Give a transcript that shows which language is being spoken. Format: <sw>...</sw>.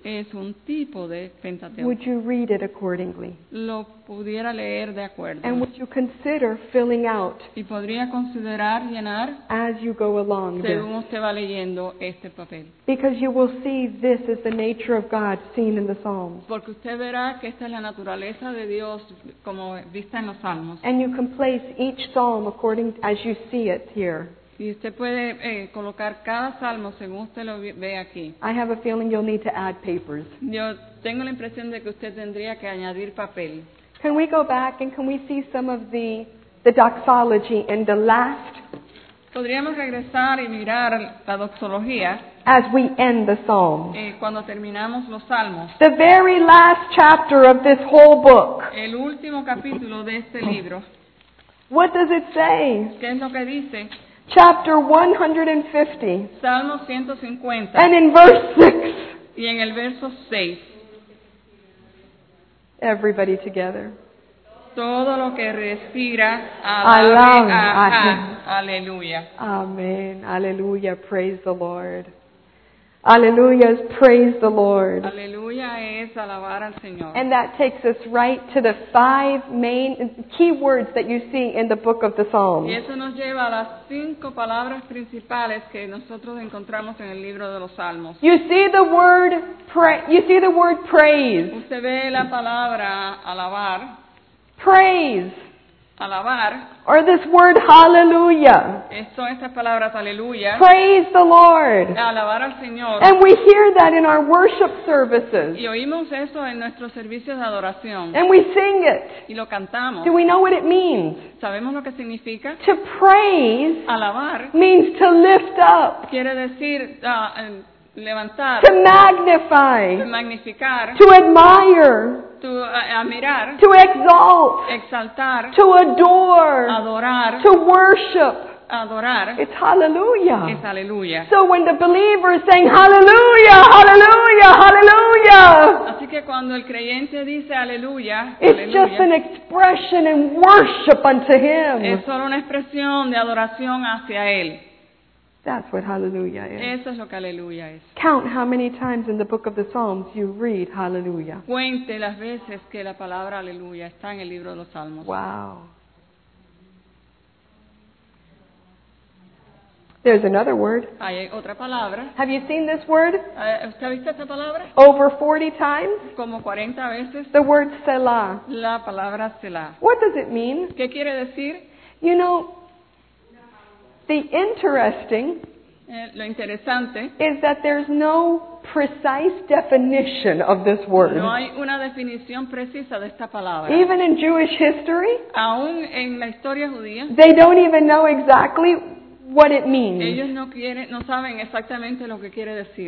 <es>Es un tipo de Pentateuco.</es> <en>Would you read it accordingly?</en> <es>Lo pudiera leer de acuerdo.</es> <en>And would you consider filling out?</en> <es>Y podría considerar llenar.</es> <en>As you go along.</en> <es>Según usted va leyendo este papel.</es> <en>Because you will see this is the nature of God seen in the Psalms.</en> <es>Porque usted verá que esta es la naturaleza de Dios como vista en los Salmos.</es> <en>And you can place each Psalm according as you see it.</en> <es>Y usted puede colocar cada salmo según usted lo ve aquí.</es> <en>I have a feeling you'll need to add papers.</en> <es>Yo tengo la impresión de que usted tendría que añadir papel.</es> <en>Can we go back and can we see some of the doxology in the last?</en> <es>Podríamos regresar y mirar la doxología.</es> <en>As we end the psalm.</en> <es>Cuando terminamos los salmos.</es> <en>The very last chapter of this whole book.</en> <es>El último capítulo de este libro.</es> <en>What does it say?</en> <es>¿Qué es lo que dice?</es> <en>Chapter 150.</en> <es>Salmo 150.</es> <en>And in verse 6.</en> <es>Y en el verso 6.</es> <en>Everybody together.</en> <es>Todo lo que respira, alabe a Him. Aleluya.</es> <en>Amen. Aleluya. Praise the Lord. Aleluya is praise the Lord.</en> <es>Aleluya es alabar al Señor.</es> <en>And that takes us right to the five main key words that you see in the book of the Psalms.</en> <es>Y eso nos lleva a las cinco palabras principales que nosotros encontramos en el libro de los Salmos.</es> <en>You see the word you see the word praise.</en> <es>Usted ve la palabra alabar.</es> <en>Praise.</en> <es>Alabar.</es> <en>Or this word hallelujah.</en> <es>Son estas palabras, aleluya.</es> <en>Praise the Lord.</en> <es>Alabar al Señor.</es> <en>And we hear that in our worship services.</en> <es>Y oímos eso en nuestros servicios de adoración.</es> <en>And we sing it.</en> <es>Y lo cantamos.</es> <en>Do we know what it means?</en> <es>¿Sabemos lo que significa?</es> <en>To praise.</en> <es>Alabar.</es> <en>Means to lift up.</en> <es>Quiere decir levantar.</es> <en>To magnify.</en> <es>To magnificar.</es> <en>To admire.</en> <es>To admirar,</es> <en>to exalt,</en> <es>exaltar,</es> <en>to adore,</en> <es>adorar,</es> <en>to worship,</en> <es>adorar,</es> <en>it's hallelujah.</en> <es>Es aleluya.</es> <en>So when the believer is saying hallelujah, hallelujah, hallelujah,</en> <es>así que cuando el creyente dice aleluya,</es> <en>it's just an expression and worship unto Him.</en> <es>Es solo una expresión de adoración hacia Él.</es> <en>That's what hallelujah is.</en> <es>Eso es lo que aleluya es.</es> <en>Count how many times in the book of the Psalms you read hallelujah.</en> <es>Cuente las veces que la palabra aleluya está en el libro de los Salmos.</es> <en>Wow. There's another word.</en> <es>Hay otra palabra.</es> <en>Have you seen this word?</en> <es>¿Usted ha visto esta palabra?</es> <en>Over 40 times.</en> <es>Como 40 veces.</es> <en>The word Selah.</en> <es>La palabra Selah.</es> <en>What does it mean?</en> <es>¿Qué quiere decir?</es> <en>You know, the interesting</en> <es>lo interesante</es> <en>is that there's no precise definition of this word.</en> <es>No hay una definición precisa de esta palabra.</es> <en>Even in Jewish history,</en> <es>aún en la historia judía,</es> <en>they don't even know exactly what it means.</en> <es>Ellos no saben exactamente lo que quiere decir.</es>